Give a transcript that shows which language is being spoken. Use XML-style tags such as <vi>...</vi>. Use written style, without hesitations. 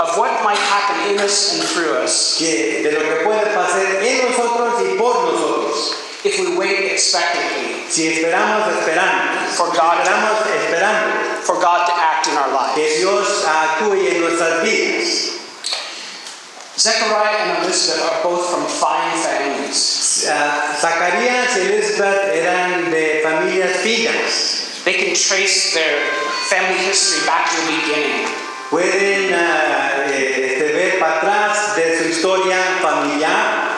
<en>of what might happen in us and through us.</en> <es>Que, de lo que puede pasar en nosotros y por nosotros.</es> <en>If we wait expectantly.</en> <es>Si esperamos esperando.</es> <en>For God,</en> <es>esperamos esperando.</es> <en>For God to act in our lives.</en> <es>Que Dios actúe en nuestras vidas.</es> <en>Zechariah and Elizabeth are both from fine families.</en> <es>Zacarías y Elizabeth eran de familias finas.</es> <en>They can trace their family history back to the beginning.</en> <es>Pueden ver para atrás de su historia familiar.</es>